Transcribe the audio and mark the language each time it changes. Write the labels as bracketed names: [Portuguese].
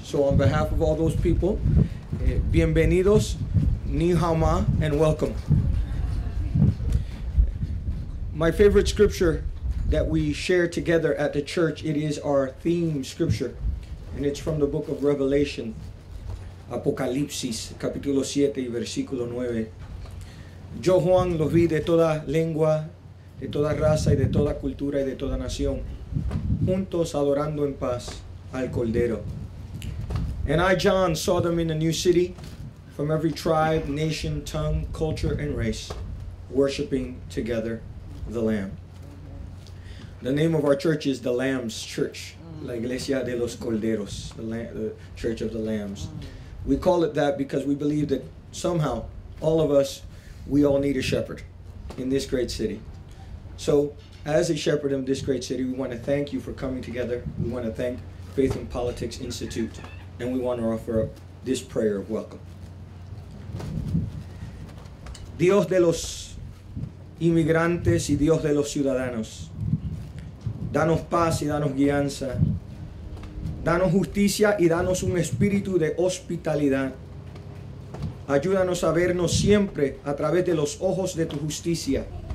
[English] So on behalf of all those people, [Spanish] bienvenidos, [Chinese] ni hao ma, [English] and welcome. My favorite scripture that we share together at the church, it is our theme scripture, and it's from the book of Revelation, [Spanish] Apocalipsis, capítulo 7 y versículo 9. Yo, Juan, los vi de toda lengua, de toda raza y de toda cultura y de toda nación, juntos adorando en paz al Cordero. [English] And I, John, saw them in the new city, from every tribe, nation, tongue, culture, and race, worshiping together the Lamb. The name of our church is the Lamb's Church, [Spanish] La Iglesia de los Corderos, [English] the Church of the Lambs. We call it that because we believe that somehow, all of us, we all need a shepherd in this great city. So as a shepherd in this great city, we want to thank you for coming together. We want to thank Faith and Politics Institute, and we want to offer up this prayer of welcome. [Spanish] Dios de los inmigrantes y Dios de los ciudadanos, danos paz y danos guianza. Danos justicia y danos un espíritu de hospitalidad. Ayúdanos a vernos siempre a través de los ojos de tu justicia.